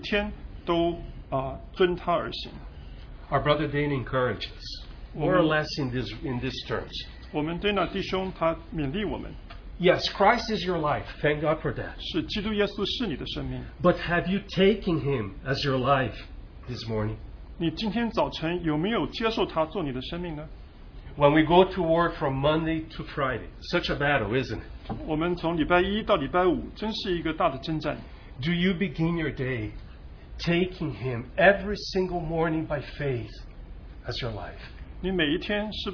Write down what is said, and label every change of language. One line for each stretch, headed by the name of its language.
Chinese: 我们也当用那简单的信心，每一天都遵他而行。
English: Our brother Dane encourages, more or less in this terms.
Chinese: 我们对那弟兄他勉励我们。
English: Yes, Christ is your life. Thank God for that.
Chinese: 是基督耶稣是你的生命。
English: But have you taken Him as your life this morning?
Chinese: 你今天早晨有没有接受他做你的生命呢？
English: When we go to work from Monday to Friday, such a battle, isn't it?
Chinese: 我们从礼拜一到礼拜五真是一个大的征战
English: Do you begin your day taking Him every single morning by faith as your life?